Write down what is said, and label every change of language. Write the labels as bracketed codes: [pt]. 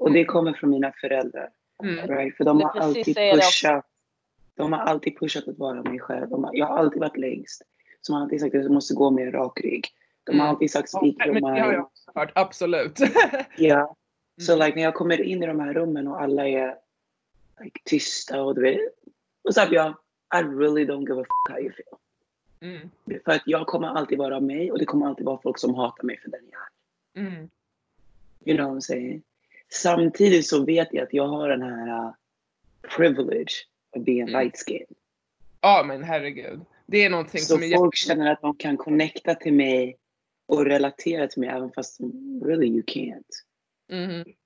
[sv] Och det kommer från mina föräldrar. Right? För de har alltid pushat. De har alltid pushat att vara mig själv. Jag har alltid varit längst. Som har alltid sagt att jag måste gå med rak rygg. De har alltid sagt [en] speak your mind. [sv] Jag har hört, absolut. Ja, yeah. Så like, när jag kommer in i de här rummen och alla är like, tysta och du vet. Och så jag, [en] I really don't give a fuck how you feel. Mm. [sv] För att jag kommer alltid vara mig och det kommer alltid vara folk som hatar mig för den jag är. [en] You know what I'm saying? [sv] Samtidigt så vet jag att jag har den här [en] privilege of being light skin. [sv] Ja, men herregud. Det är någonting så som folk känner att de kan connecta till mig och relatera till mig även fast [en] really you can't.